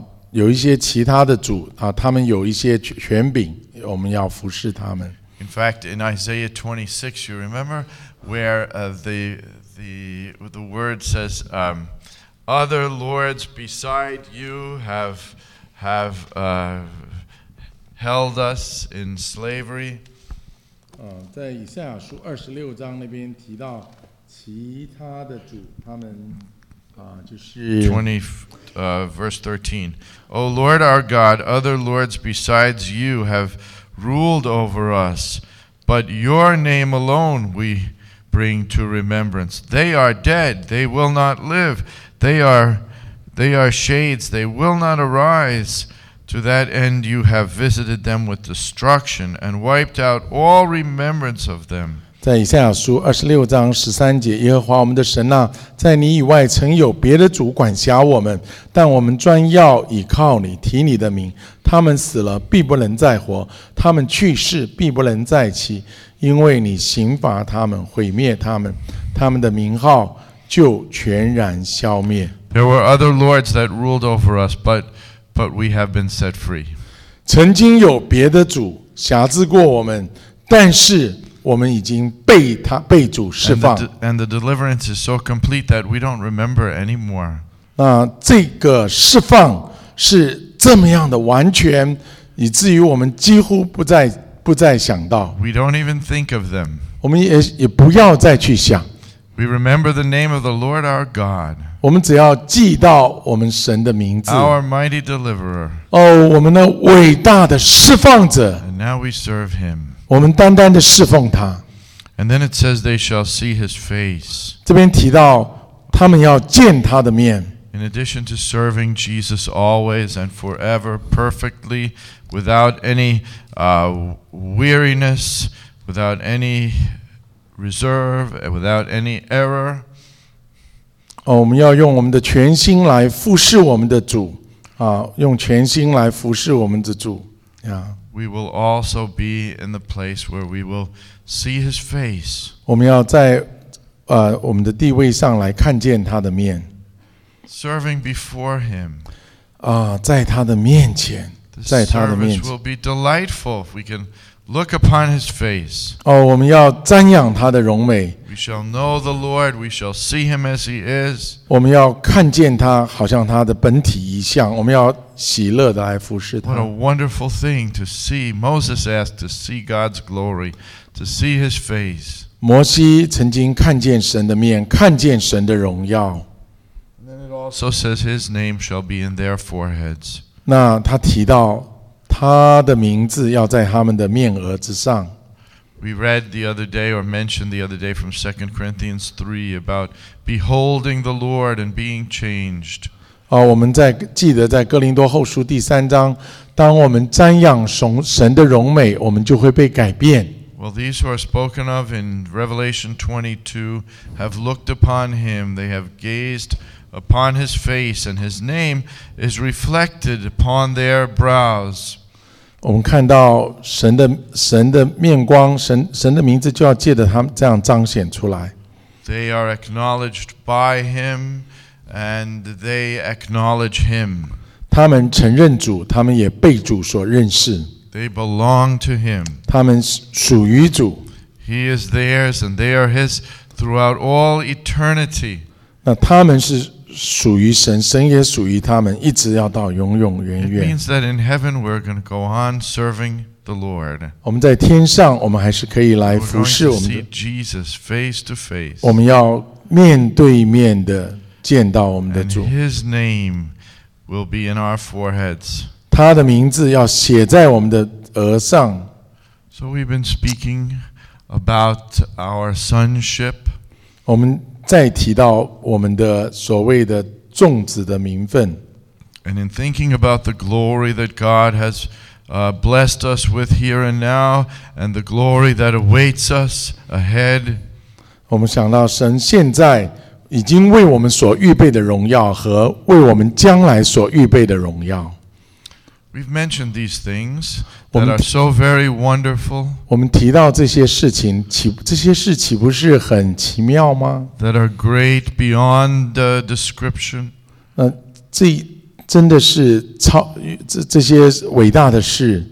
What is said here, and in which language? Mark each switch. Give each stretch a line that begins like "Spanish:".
Chinese: 有一些其他的主他们有一些权柄，我们要服侍他们。
English: In fact, in Isaiah 26, you remember where the word says, "Other lords beside you have held us in slavery."
Chinese: 在以赛亚书二十六章那边提到其他的主，他们就是
English: verse 13. O Lord our God, other lords besides you have ruled over us, but your name alone we bring to remembrance. They are dead; they will not live. They are shades; they will not arise. To that end, you have visited them with destruction and wiped out all remembrance of them.
Chinese: 在以赛亚书二十六章十三节，耶和华我们的神啊，在你以外曾有别的主管辖我们，但我们专要倚靠你，提你的名。他们死了，必不能再活；他们去世，必不能再起，因为你刑罚他们，毁灭他们，他们的名号就全然消灭。
English: There were other lords that ruled over us, but we have been set free.
Chinese: 曾经有别的主辖制过我们，但是我们已经被主释放。
English: And the deliverance is so complete that we don't remember anymore.
Chinese: 那这个释放是这么样的完全，以至于我们几乎不再想到。
English: We don't even think of them.
Chinese: 我们也不要再去想。
English: We remember the name of the Lord our God.
Chinese: 我们只要记到我们神的名字。
English: Our mighty deliverer.
Chinese: 我们的伟大的释放者。
English: And now we serve him.
Chinese: 我们单单的侍奉他。
English: And then it says they shall see his face.
Chinese: 这边提到他们要见他的面。
English: In addition to serving Jesus always and forever perfectly, without any weariness, without any reserve, without any error.
Chinese: 我们要用我们的全心来服侍我们的主，用全心来服侍我们的主。
English: We will also be in the place where we will see his face.
Chinese: 我们要在我们的地位上来看见他的面。
English: serving before him.
Chinese: 在他的面前，在他的面前。
English: The service will be delightful if we can look upon his face.
Chinese: 我们要瞻仰他的荣美。
English: We shall know the Lord. We shall see him as he is.
Chinese: 我们要看见他，好像他的本体一样。我们要喜乐的来服侍他。
English: What a wonderful thing to see! Moses asked to see God's glory, to see his face.
Chinese: 摩西曾经看见神的面，看见神的荣耀。
English: Also says his name shall be in their foreheads.
Chinese: 那他提到他的名字要在他们的面额之上。
English: We read the other day, or mentioned the other day, from 2 Corinthians 3 about beholding the Lord and being changed.
Chinese: 我们在记得在哥林多后书第三章，当我们瞻仰神的荣美，我们就会被改变。
English: Well, these who are spoken of in Revelation 22 have looked upon him. They have gazed upon his face, and his name is reflected upon their brows.
Chinese: 我们看到神的面光，神的名字就要借着他们这样彰显出来。
English: They are acknowledged by him, and they acknowledge him.
Chinese: 他们承认主，他们也被主所认识。
English: They belong to him.
Chinese: 他们属于主。
English: He is theirs, and they are his throughout all eternity.
Chinese: 那他们是属于神，神也属于他们，一直要到永永远远。
English: It means that in heaven we're going to go on serving the Lord.
Chinese: 我们在天上，我们还是可以来服侍我们的。
English: We're going to see Jesus face to face.
Chinese: 我们要面对面的见到我们的主。
English: And his name will be in our foreheads.
Chinese: 他的名字要写在我们的额上。
English: So we've been speaking about our sonship.
Chinese: 我们再提到我们的所谓的众子的名分。
English: And in thinking about the glory that God has blessed us with here and now, and the glory that awaits us ahead,
Chinese: 我们想到神现在已经为我们所预备的荣耀和为我们将来所预备的荣耀。
English: We've mentioned these things that are so very wonderful.
Chinese: 我们提到这些事岂不是很奇妙吗？
English: That are great beyond the description.
Chinese: 这真的是超这些伟大的事。